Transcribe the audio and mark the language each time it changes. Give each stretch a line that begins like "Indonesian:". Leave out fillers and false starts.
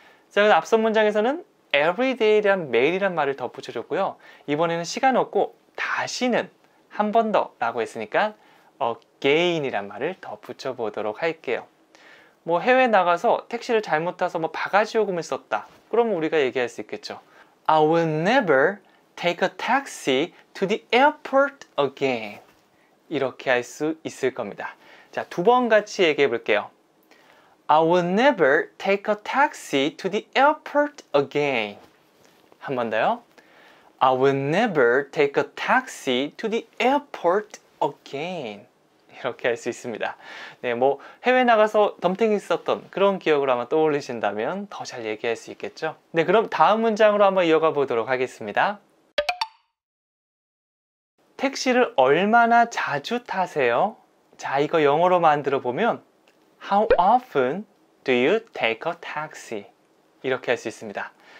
Korean: 자, 앞선 문장에서는 everyday란 매일이란 말을 덧붙여줬고요, 이번에는 시간 없고 다시는, 한 번 더 라고 했으니까 again이란 말을 덧붙여 보도록 할게요. 뭐 해외 나가서 택시를 잘못 타서 뭐 바가지 요금을 썼다, 그러면 우리가 얘기할 수 있겠죠.
English: I will never take a taxi to the airport again.
Korean: 이렇게 할 수 있을 겁니다. 자, 두 번 같이 얘기해 볼게요.
English: I will never take a taxi to the airport again.
Korean: 한 번 더요.
English: I will never take a taxi to the airport again.
Korean: 이렇게 할 수 있습니다. 네, 뭐 해외 나가서 덤탱이 있었던 그런 기억을 아마 떠올리신다면 더 잘 얘기할 수 있겠죠? 네, 그럼 다음 문장으로 한번 이어가 보도록 하겠습니다. 택시를 얼마나 자주 타세요? 자, 이거 영어로 만들어 보면
English: How often do you take a taxi?
Korean: 이렇게 할 수 있습니다.